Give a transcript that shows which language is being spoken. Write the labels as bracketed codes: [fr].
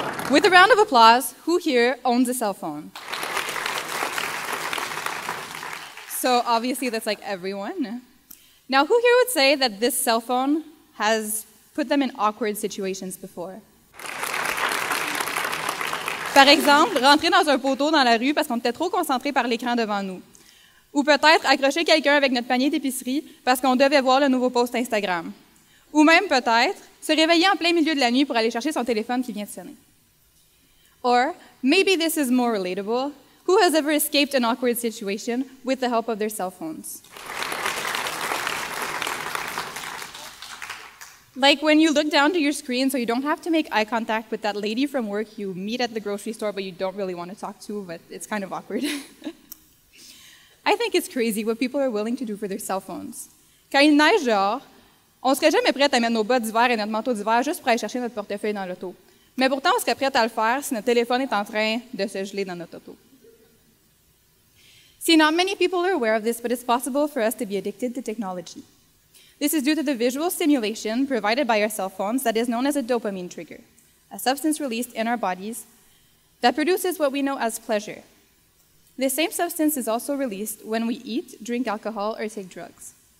[en] With a round of applause, who here owns a cell phone? So obviously that's like everyone. Now, who here would say that this cell phone has put them in awkward situations before? [fr] Par exemple, rentrer dans un poteau dans la rue parce qu'on était trop concentré par l'écran devant nous. Ou peut-être accrocher quelqu'un avec notre panier d'épicerie parce qu'on devait voir le nouveau post Instagram. Ou même peut-être se réveiller en plein milieu de la nuit pour aller chercher son téléphone qui vient de sonner. [en] Or, maybe this is more relatable. Who has ever escaped an awkward situation with the help of their cell phones? Like when you look down to your screen so you don't have to make eye contact with that lady from work you meet at the grocery store but you don't really want to talk to, but it's kind of awkward. I think it's crazy what people are willing to do for their cell phones. [fr] Quand il neige dehors, on serait jamais prêt à mettre nos bas d'hiver et notre manteau d'hiver juste pour aller chercher notre portefeuille dans l'auto. Mais pourtant, on serait prêt à le faire si notre téléphone est en train de se geler dans notre auto. [en] See, not many people are aware of this, but it's possible for us to be addicted to technology. This is due to the visual stimulation provided by our cell phones that is known as a dopamine trigger, a substance released in our bodies that produces what we know as pleasure. This same substance is also released when we eat, drink alcohol, or take drugs.